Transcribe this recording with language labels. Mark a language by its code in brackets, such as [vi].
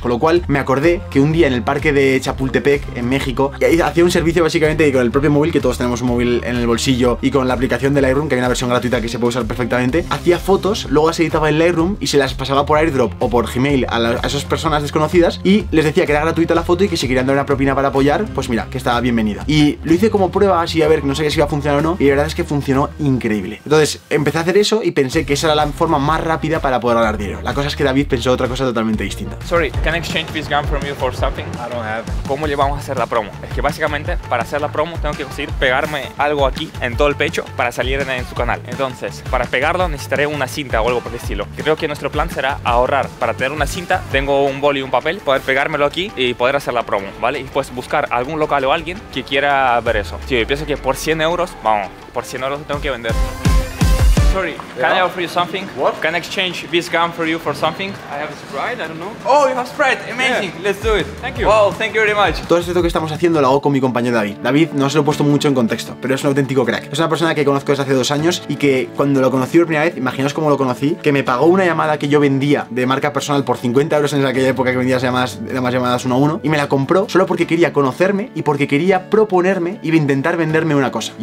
[es] Con lo cual me acordé que un día en el parque de Chapultepec en México hacía un servicio básicamente con el propio móvil, que todos tenemos un móvil en el bolsillo, y con la aplicación de Lightroom, que hay una versión gratuita que se puede usar perfectamente, hacía fotos, luego las editaba en Lightroom y se las pasaba por AirDrop o por Gmail a esas personas desconocidas y les decía que era gratuita la foto y que si querían dar una propina para apoyar, pues mira, que estaba bienvenida. Y lo hice como prueba, así a ver, no sé si iba a funcionar o no, y la verdad es que funcionó increíble. Entonces empecé a hacer eso y pensé que esa era la forma más rápida para poder ganar dinero. La cosa es que David pensó otra cosa totalmente distinta. [en] Sorry, can I exchange this gun from you for something? I don't have. [es] ¿Cómo le vamos a hacer la promo? Es que básicamente, para hacer la promo, tengo que conseguir pegarme algo aquí en todo el pecho para salir en su canal. Entonces, para pegarlo necesitaré una cinta o algo por el estilo. Creo que nuestro plan será ahorrar para tener una cinta. Tengo un boli y un papel, poder pegármelo aquí y poder hacer la promo, ¿vale? Y pues buscar algún local o alguien que quiera ver eso. Sí, yo pienso que por 100 euros, vamos, por 100 euros tengo que vender. [en] Sorry, can I offer you something? What? Can I exchange this gun for you for something? I have a Sprite, I don't know. Oh, you have Sprite, amazing, yeah. Let's do it. Thank you. Wow, thank you very much. [es] Todo esto que estamos haciendo lo hago con mi compañero David. David no se lo he puesto mucho en contexto, pero es un auténtico crack. Es una persona que conozco desde hace 2 años y que cuando lo conocí por primera vez, imaginaos cómo lo conocí, que me pagó una llamada que yo vendía de marca personal por 50 euros en aquella época que vendía las llamadas 1 a 1 y me la compró solo porque quería conocerme y porque quería proponerme y intentar venderme una cosa.